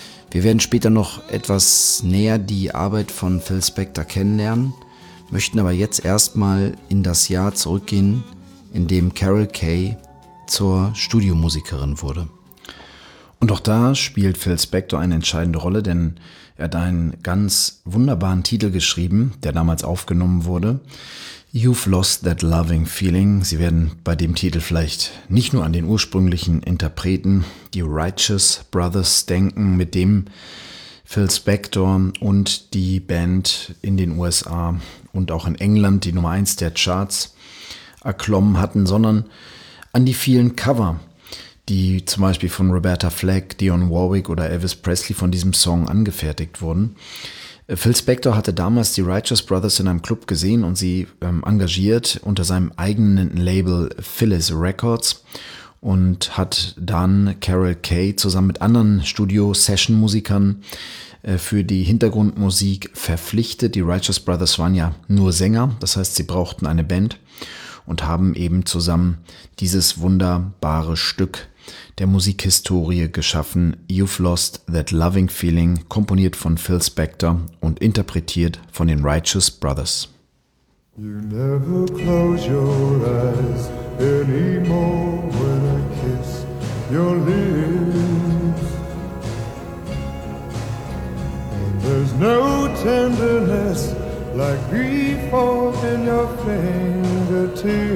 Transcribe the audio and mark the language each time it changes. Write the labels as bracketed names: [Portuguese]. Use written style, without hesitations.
[German] Wir werden später noch etwas näher die Arbeit von Phil Spector kennenlernen, möchten aber jetzt erstmal in das Jahr zurückgehen, in dem Carole Kaye zur Studiomusikerin wurde. Und auch da spielt Phil Spector eine entscheidende Rolle, denn er hat einen ganz wunderbaren Titel geschrieben, der damals aufgenommen wurde. [English] You've Lost That Loving Feeling. [German] Sie werden bei dem Titel vielleicht nicht nur an den ursprünglichen Interpreten, die Righteous Brothers, denken, mit dem Phil Spector und die Band in den USA und auch in England die Nummer 1 der Charts erklommen hatten, sondern an die vielen Cover, die zum Beispiel von Roberta Flack, Dionne Warwick oder Elvis Presley von diesem Song angefertigt wurden. Phil Spector hatte damals die Righteous Brothers in einem Club gesehen und sie engagiert unter seinem eigenen Label Phyllis Records und hat dann Carole Kaye zusammen mit anderen Studio-Session-Musikern für die Hintergrundmusik verpflichtet. Die Righteous Brothers waren ja nur Sänger, das heißt, sie brauchten eine Band und haben eben zusammen dieses wunderbare Stück der Musikhistorie geschaffen, You've Lost That Loving Feeling, komponiert von Phil Spector und interpretiert von den Righteous Brothers. [English] You never close your eyes anymore when I kiss your lips. And there's no tenderness like grief in your fingertips.